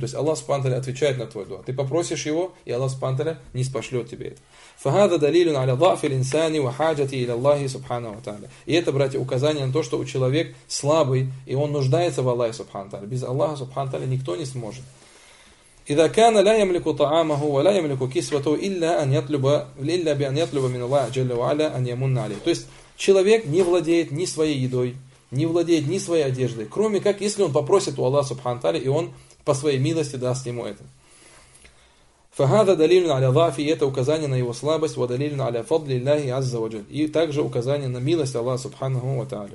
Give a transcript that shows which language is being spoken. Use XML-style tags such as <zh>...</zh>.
<ru>То есть Аллах, субхану тааля, отвечает на твой дуа. Ты попросишь его, и Аллах, субхану тааля, не спошлет тебе это.</ru> <ar>فهذا دليل على ضعف الانسان وحاجته الى الله سبحانه وتعالى.</ar> <ru>И это, братья, указание на то, что у человек слабый, и он нуждается в Аллахе субхана тааля. Без Аллаха субхана тааля никто не сможет.</ru> <ar>اذا كان لا يملك طعامه ولا يملك كسوته الا ان يطلب الا بان يطلب من الله جل وعلا ان يمن عليه.</ar> <ru>То есть человек не владеет ни своей едой, не владеет ни своей одеждой, кроме как если он попросит у Аллаха субхана тааля, и он по своей милости даст ему это.</ru> <ar>فَهَذَا دَلِيلٌ عَلَى ضَعْفِ</ar> <ru>И это указание на его слабость.</ru> <ar>وَدَلِيلٌ عَلَى فَضْلِ اللَّهِ عَزَّ وَجَلْ</ar> <ru>И также указание на милость Аллаха Субханаху Ва Тааля.</ru>